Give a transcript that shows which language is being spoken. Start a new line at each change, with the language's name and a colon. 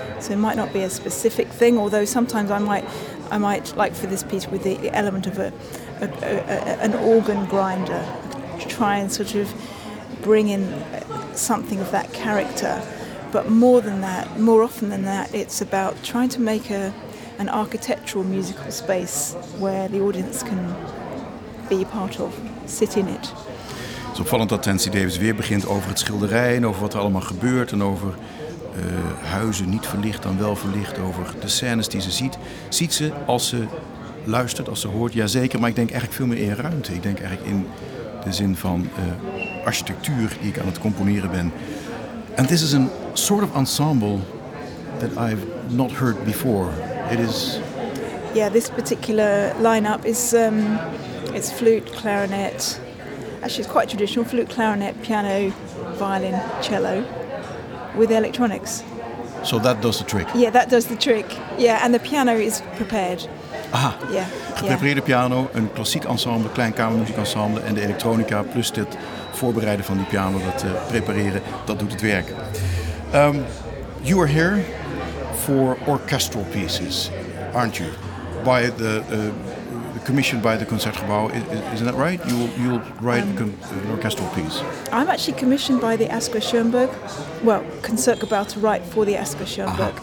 English: So it might not be a specific thing, although sometimes I might like for this piece with the element of an organ grinder, try and sort of bring in something of that character. But more than that, more often than that, it's about trying to make an architectural musical space where the audience can be part of, sit in it.
Dutch: Het is opvallend dat Tansy Davis weer begint over het schilderij en over wat er allemaal gebeurt en over huizen niet verlicht dan wel verlicht, over de scènes die ze ziet. Ziet ze als ze luistert, als ze hoort? Jazeker, maar ik denk eigenlijk veel meer in ruimte. Ik denk eigenlijk in de zin van architectuur die ik aan het componeren ben.
English: And this is a sort of ensemble that I've not heard before. It is... Yeah, this particular line-up is it's flute, clarinet. Actually, it's quite traditional. Flute, clarinet, piano, violin, cello. With electronics. So that does the trick. Yeah, that does the trick. Yeah, and the piano is prepared. Aha.
Dutch: Geprepareerde piano, een klassiek ensemble, klein kamermuziekensemble en de elektronica plus het voorbereiden van die piano, dat prepareren, dat doet het werk.
English: You are here for orchestral pieces, aren't you? By the commissioned by the Concertgebouw, isn't that right? You'll write an orchestral piece. I'm actually commissioned by the Asger Schoenberg, Concertgebouw, to write for the Asger Schoenberg. Uh-huh.